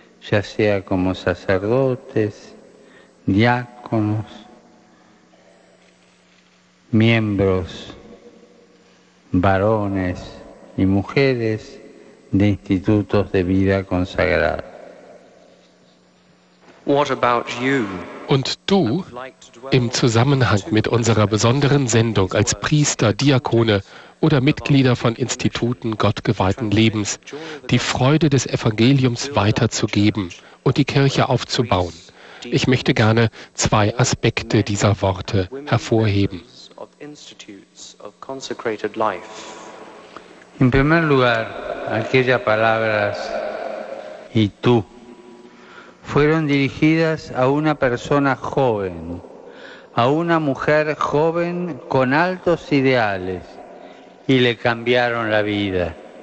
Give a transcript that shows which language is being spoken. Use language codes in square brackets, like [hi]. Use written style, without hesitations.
[es] ya sea como sacerdotes, diáconos, miembros, varones y mujeres, de institutos de vida consagrada. [en] What about you? [de] Und du, im Zusammenhang mit unserer besonderen Sendung als Priester, Diakone oder Mitglieder von Instituten gottgeweihten Lebens, die Freude des Evangeliums weiterzugeben und die Kirche aufzubauen. Ich möchte gerne zwei Aspekte dieser Worte hervorheben. [es] En primer lugar, aquellas palabras, y tú, fueron dirigidas a una persona joven, a una mujer joven con altos ideales, y le cambiaron la vida.